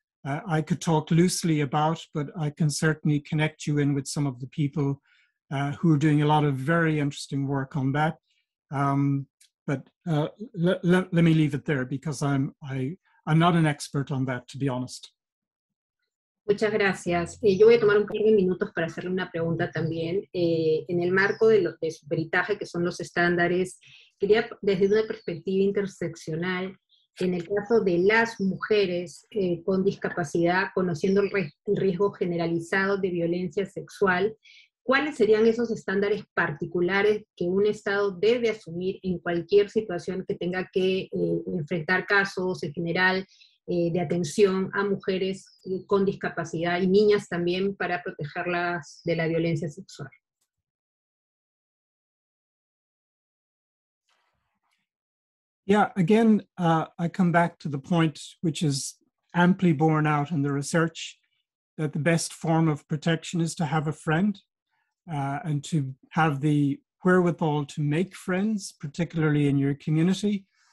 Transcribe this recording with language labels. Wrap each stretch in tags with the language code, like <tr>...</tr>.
<en>I could talk loosely about, but I can certainly connect you in with some of the people who are doing a lot of very interesting work on that. But let me leave it there because I'm not an expert on that, to be honest.</en> <es>Muchas gracias. Yo voy a tomar un par de minutos para hacerle una pregunta también. En el marco de su peritaje, que son los estándares, quería desde una perspectiva interseccional, en el caso de las mujeres con discapacidad, conociendo el riesgo generalizado de violencia sexual, ¿cuáles serían esos estándares particulares que un Estado debe asumir en cualquier situación que tenga que enfrentar casos en general de atención a mujeres con discapacidad y niñas también para protegerlas de la violencia sexual?</es> <en>Yeah, again, I come back to the point which is amply borne out in the research that the best form of protection is to have a friend. And to have the wherewithal to make friends, particularly in your community.</en>